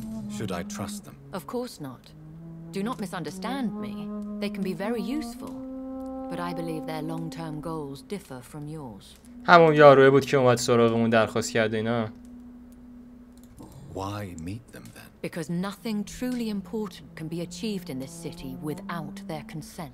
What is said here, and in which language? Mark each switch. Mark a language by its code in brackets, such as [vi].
[en] Should I trust them? Of course not. Do not misunderstand me. They can be very useful, but I believe their long-term goals differ from yours. [fa] همون یاروه بود که اومد سراغمون درخواست کرد اینا. [en] Why meet them then? Because nothing truly important can be achieved in this city without their consent.